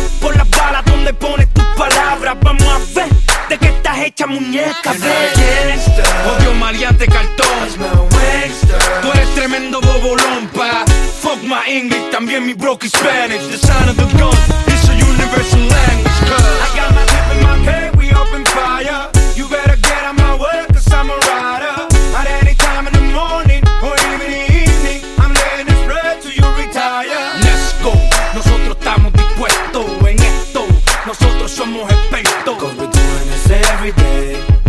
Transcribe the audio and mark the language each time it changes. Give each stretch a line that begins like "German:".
Spanish: Por las balas donde pones tus palabras, vamos a ver de qué estás hecha muñeca. Ven gangster, odio maleante cartón. Tú eres tremendo bobolón, pa.
English: Fuck my English,
Spanish: también mi
English: broke Spanish. The sound of the gun is a universal language. Cause I got my tip in my head, we open fire. You better get out my way, cause I'm a rider. At any time in the morning or even the evening, I'm letting it spread till you retire. Let's go,
Spanish: nosotros estamos dispuestos en esto. Nosotros somos expertos.
English: Cause we're doing this every day.